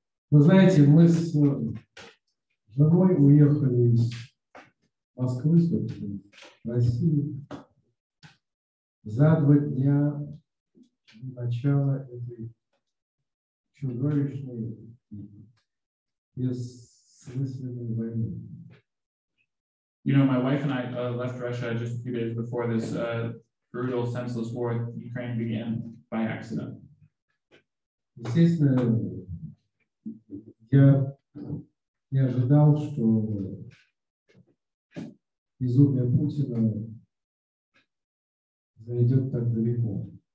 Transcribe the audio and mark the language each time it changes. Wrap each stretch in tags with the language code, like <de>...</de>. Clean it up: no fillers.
<ru>Вы знаете, мы с женой уехали из Москвы, собственно, в Россию за 2 дня до начала этой чудовищной бессмысленной войны.</ru> <en>You know, my wife and I left Russia just a few days before this brutal, senseless war in Ukraine began by accident.</en> <ru>Естественно, я не ожидал, что безумие Путина зайдет так далеко.</ru>